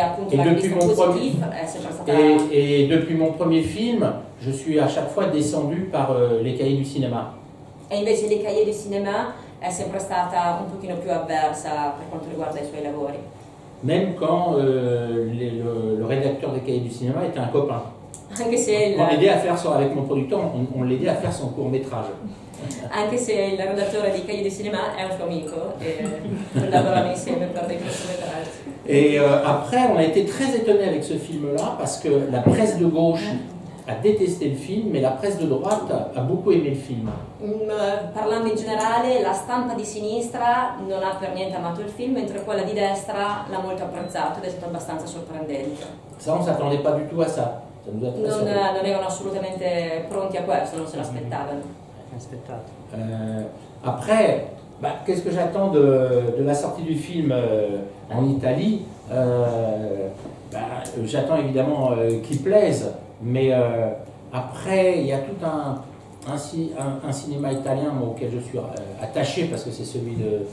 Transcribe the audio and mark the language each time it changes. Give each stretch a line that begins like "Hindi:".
French: Et depuis mon premier film, je suis à chaque fois descendu par Les Cahiers du Cinéma. Et
Italian: invece Les Cahiers du Cinéma è sempre stata un pochino più avversa per quanto riguarda i suoi lavori.
French: Même quand le rédacteur des Cahiers du Cinéma était un copain.
Italian: Anche se
French: on l'aidait à faire son, avec mon producteur, on l'aidait à faire son court métrage.
Italian: Anche se il rédacteur des Cahiers du Cinéma
French: est
Italian: un suo amico
French: et
Italian: lavorano insieme per dei court métrages.
French: Et après, on a été très étonnés avec ce film-là parce que la presse de gauche a détesté le film, mais la presse de droite a beaucoup aimé le film.
Italian: Parlando in generale, la stampa di sinistra non ha per niente amato il film, mentre quella di destra l'ha molto apprezzato ed è stato abbastanza sorprendente.
French: Ça, on ne s'attendait pas du tout à ça. Ça nous a très surpris.
Italian: Non erano assolutamente pronti a questo, non se l'aspettavano. Aspettato.
French: Après. Bah, qu'est-ce que j'attends de la sortie du film en Italie? J'attends évidemment qu'il plaise, mais après, il y a tout un... un cinéma italien auquel je suis attaché, parce que c'est celui de...